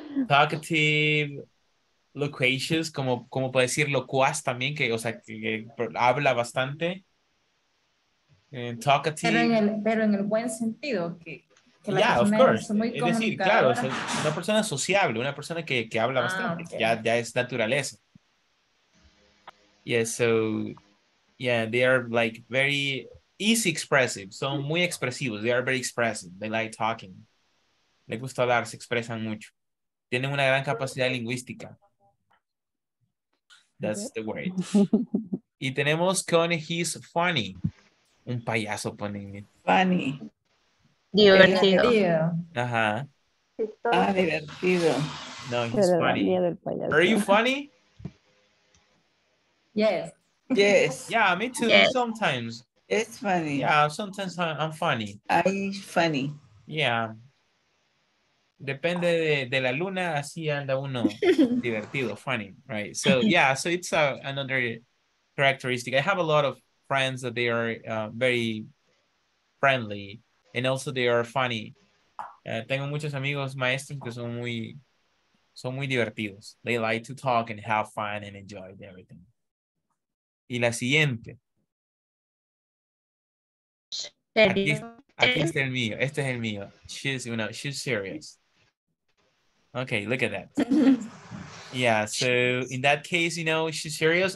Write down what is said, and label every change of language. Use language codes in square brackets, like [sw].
[en] Talkative, loquacious, [es] como puede decir locuaz también, que, o sea, que habla bastante. [en] Talkative. [es] Pero en el buen sentido, que [en] la persona, of course. [es] Es decir, claro, o sea, una persona sociable, una persona que habla bastante, [en] okay. [es] ya es naturaleza. [en] Yeah, so, yeah, they are like very easy expressive, [es] son muy expresivos, [en] they are very expressive, they like talking. [es] Les gusta hablar, se expresan mucho. Tienen una gran capacidad lingüística. [en] That's the word. [es] Y tenemos con [en] he's funny. [es] Un payaso, ponen. [en] Funny. [es] Divertido. Ajá. Ah, divertido. [en] No, he's funny. Are you funny? Yes. Yeah, me too, yes. Sometimes. It's funny. Yeah, sometimes I'm funny. I'm funny. Yeah. [es] Depende de la luna, así anda uno. Divertido, [en] funny, right? So, yeah, so it's another characteristic. I have a lot of friends that they are very friendly, and also they are funny. [es] Tengo muchos amigos maestros que son muy divertidos. [en] They like to talk and have fun and enjoy everything. [es] Y la siguiente. Aquí está el mío. Este es el mío. [en] She's serious. Okay, look at that. Yeah, so in that case, you know, she's serious.